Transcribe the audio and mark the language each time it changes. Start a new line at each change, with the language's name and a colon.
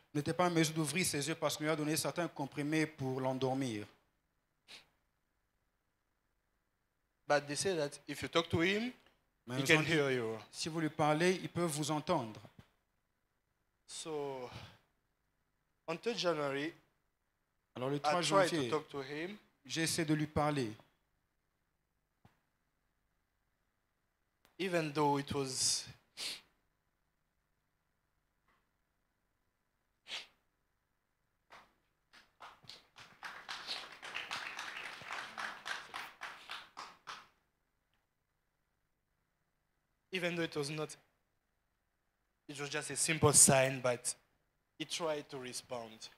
French: N'était pas en mesure d'ouvrir ses yeux parce qu'on lui a donné certains comprimés pour l'endormir.
English: But they say that if you talk to him,
French: mais
English: he can hear you.
French: Si vous lui parlez, il peut vous entendre.
English: So, on 3 January,
French: alors le 3 janvier,
English: to talk to him.
French: J'ai essayé de lui parler.
English: Even though it was even though it was just a simple sign, but he tried to respond.